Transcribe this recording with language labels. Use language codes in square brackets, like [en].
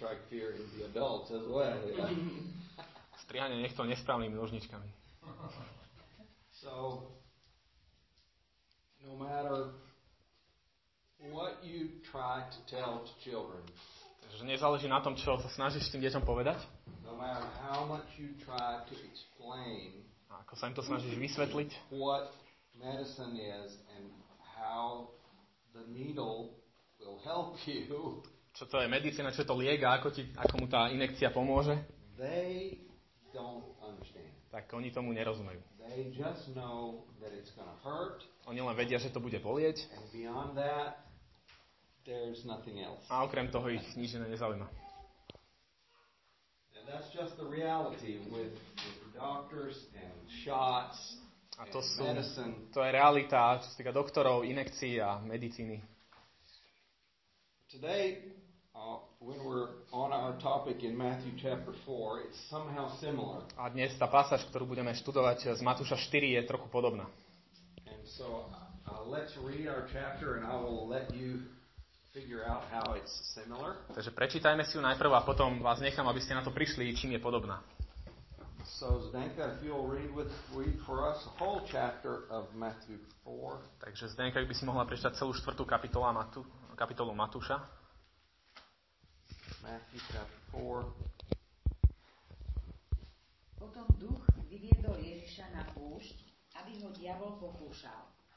[en] Fear in the adults as well. [sk] Striehanie niekto nesprávnymi nožničkami. [en] So no matter what you try to tell to children. [sk] Takže nezáleží na tom, čo sa snažíš tým deťom povedať. [en] No matter how much you try to explain. [sk] Ako sa im to snažíš vysvetliť? [en] What medicine is and how the needle will help you. [sk] Čo to je medicína, čo je to liek a ako, ako mu tá injekcia pomôže, [en] they don't understand. [sk] Tak oni tomu nerozumejú. [en] They just know that it's gonna hurt. [sk] Oni len vedia, že to bude bolieť. [en] And beyond that, there's nothing else. [sk] A okrem toho ich nič iné nezaujíma. [en] And that's just the reality with doctors and shots [sk] a to [en] and [sk] sú, [en] medicine. [sk] To je realita, čo sa týka doktorov, injekcií a medicíny. [en] Today, when we're on our topic in Matthew chapter 4, it's somehow similar. [sk] A dnes tá pasáž, ktorú budeme študovať z Matúša 4, je trochu podobná. [en] And so, let's read our chapter and I will let you figure out how it's similar. [sk] Takže prečítajme si ju najprv a potom vás nechám, aby ste na to prišli, čím je podobná. [en] So, Zdenka, if you'll read for us a whole chapter of Matthew 4. [sk] Takže Zdenka, ak by si mohla prečítať celú štvrtú kapitolu a kapitolu Matúša. [en] Matthew chapter 4. [sk] Potom duch vyviedol Ježiša na púšť, aby ho diabol pokúšal.